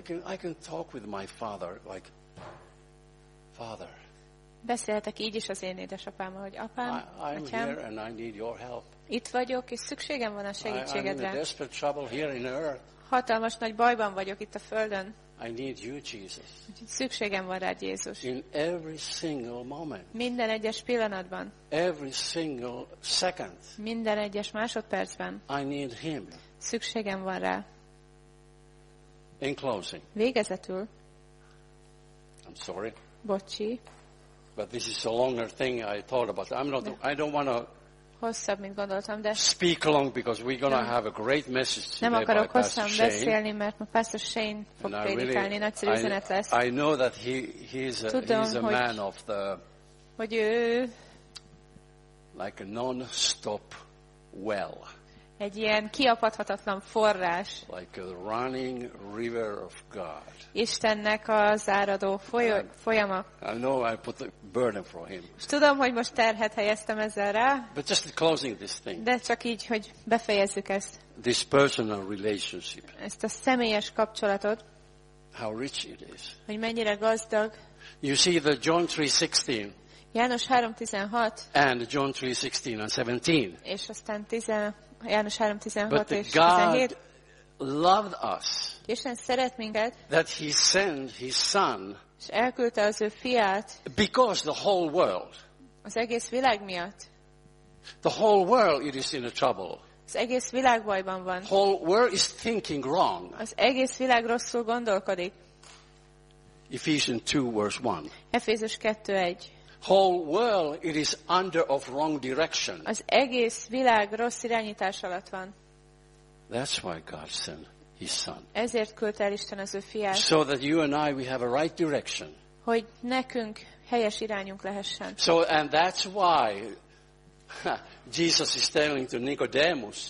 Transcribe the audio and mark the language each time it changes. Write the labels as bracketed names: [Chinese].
[English] I can talk with my father like father. [Hungarian] Beszélhetek így is az én édesapámmal, hogy apám, atyám, [English] here and I need your help. [Hungarian] Itt vagyok, és szükségem van a segítségedre. [English] I'm in a desperate trouble here in earth. [Hungarian] Hatalmas nagy bajban vagyok itt a földön. [English] I need you, Jesus. [Hungarian] Szükségem van rád, Jézus. [English] In every single moment. [Hungarian] Minden egyes pillanatban. [English] Every single second. [Hungarian] Minden egyes másodpercben. [English] I need him. [Hungarian] Szükségem van rá. [English] In closing. [Hungarian] Végezetül. [English] I'm sorry. [Hungarian] Bocsi. [English] But this is a longer thing I thought about. I don't want to. [Hungarian] Hosszabb, mint gondoltam, de [English] speak along because we're gonna have a great message today. [Hungarian] Nem akarok hosszan beszélni, mert ma Pastor Shane fog prédikálni, nagyszerű üzenet lesz. [English] I know that he's a man of the. [Hungarian] Hogy ő [English] like a non-stop well. [Hungarian] Egy ilyen kiapadhatatlan forrás. [English] Like a running river of God. [Hungarian] Istennek az áradó folyama. [English] I know I put a burden for him. [Hungarian] Tudom, hogy most terhet helyeztem ezzel rá. [English] But just closing this thing. [Hungarian] De csak így, hogy befejezzük ezt. [English] This personal relationship. [Hungarian] Ezt a személyes kapcsolatot. [English] How rich it is. [Hungarian] Hogy mennyire gazdag. [English] You see the John 3:16. [Hungarian] János 3:16. [English] And John 3:16 and 17. [Hungarian] És aztán 16. János 3:16 [English] but [Hungarian] és [English] God [Hungarian] 17. [English] Loved us. [Hungarian] Isten szeret minket. [English] That he sent his son. [Hungarian] És elküldte az ő fiát. [English] Because the whole world. [Hungarian] Az egész világ miatt. [English] The whole world it is in a trouble. [Hungarian] Az egész világ bajban van. [English] Whole world is thinking wrong. [Hungarian] Az egész világ rosszul gondolkodik. [English] Ephesians 2 verse 1. [Hungarian] Efézus 2:1. [English] Whole world it is under of wrong direction. [Hungarian] Az egész világ rossz irányítás alatt van. [English] That's why God sent his son. [Hungarian] Ezért küldte el Isten az ő fiát. [English] So that you and I we have a right direction. [Hungarian] Hogy nekünk helyes irányunk lehessen. [English] So and that's why Jesus is telling to Nicodemus.